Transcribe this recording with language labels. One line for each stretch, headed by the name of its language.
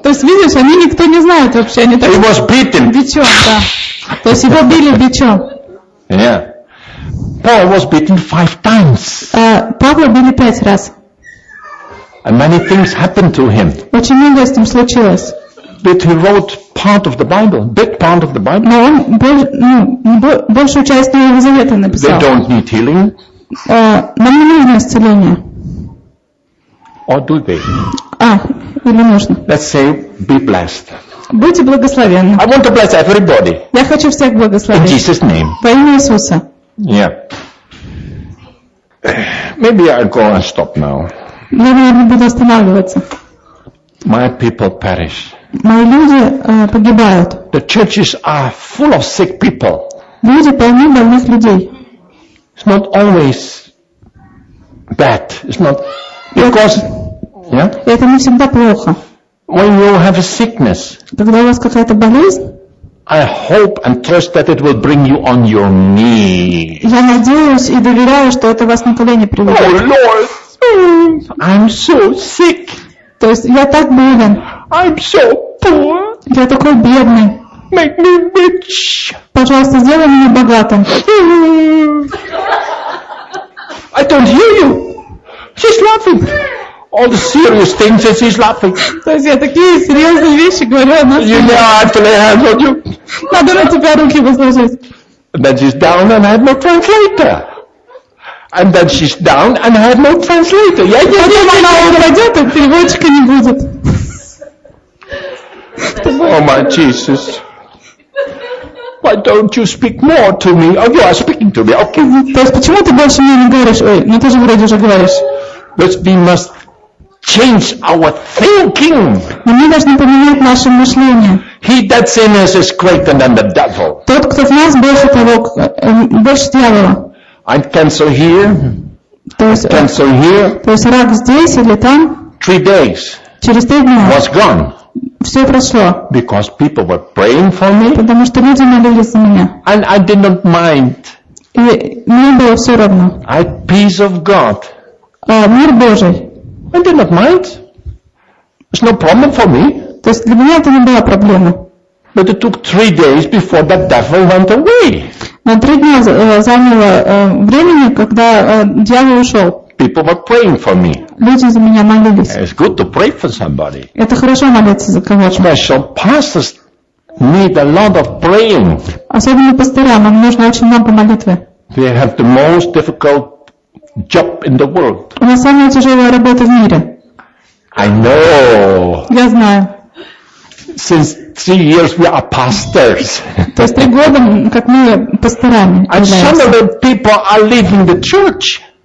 Russian: То есть, видишь, они никто не знает вообще. Они так...
English: He was beaten.
Russian: Бичом, да. То есть, его били бичом.
English: Yeah. Paul was beaten 5 times.
Russian: Павла били 5 раз.
English: And many things happened to him.
Russian: Очень много с ним случилось.
English: But he wrote part of the Bible, big part of the Bible.
Russian: Но он большую часть Нового Завета написал.
English: They don't need healing.
Russian: Нам не нужно исцеление.
English: Or do they?
Russian: Или нужно?
English: Let's say, be blessed.
Russian: Будьте благословенны.
English: I want to bless everybody.
Russian: Я хочу всех благословить.
English: In Jesus' name.
Russian: Во имя Иисуса.
English: Yeah. Maybe I go and stop now.
Russian: Наверное, буду останавливаться.
English: My people perish.
Russian: Мои люди погибают.
English: The churches are full of sick people.
Russian: Люди полны больных людей.
English: It's not always bad. It's not because yeah.
Russian: Это не всегда плохо.
English: When you have a sickness,
Russian: когда у вас какая-то болезнь.
English: I hope and trust that it will bring you on your knee.
Russian: Я надеюсь и доверяю, что это вас на колени приведет.
English: Oh Lord, I'm so sick.
Russian: То есть я так болен.
English: I'm so poor.
Russian: Я такой бедный.
English: Make me rich.
Russian: Пожалуйста, сделай меня богатым.
English: I don't hear you. She's laughing. All the serious things that she's laughing.
Russian: То есть я такие серьезные вещи говорю, она.
English: You know, I have to lay hands on you.
Russian: Надо на тебя руки возложить.
English: And then she's down and I have no translator. And then she's down and I have no translator.
Russian: Я не знаю, как она упадет, а переводчика не будет.
English: Oh my Jesus. Why don't you speak more to me? Oh, you are speaking to me. Okay.
Russian: То есть почему ты больше мне не говоришь? Ой, ну ты же вроде уже говоришь.
English: But we must change our thinking.
Russian: Но мы должны поменять наше мышление.
English: He that's in us is greater than the devil.
Russian: Тот, кто в нас, больше того, больше дьявола.
English: I'm cancer here.
Russian: То есть,
English: I'm cancer here.
Russian: То есть рак здесь или там?
English: 3 days.
Russian: Через 3 дня.
English: Was gone.
Russian: Все прошло.
English: Because people were praying for me.
Russian: Потому что люди молились за меня.
English: And I did not mind.
Russian: И мне было все равно.
English: I had peace of God.
Russian: Мир Божий.
English: I did not mind. It's no problem for me.
Russian: То есть для меня это не была проблема.
English: But it took 3 days before that devil went away.
Russian: Но 3 дня заняло времени, когда дьявол ушел.
English: People were praying for me.
Russian: Люди за меня молились.
English: It's good to pray for somebody.
Russian: Это хорошо молиться за кого-то.
English: Special pastors need a lot of praying.
Russian: Особенно пасторам, им нужно очень много молитвы.
English: They have the most difficult job in the world.
Russian: У нас самая тяжелая работа в мире.
English: I know.
Russian: Я знаю.
English: Since 3 years we are pastors.
Russian: То есть 3 года, как мы пасторами.
English: And some of the people are leaving the church.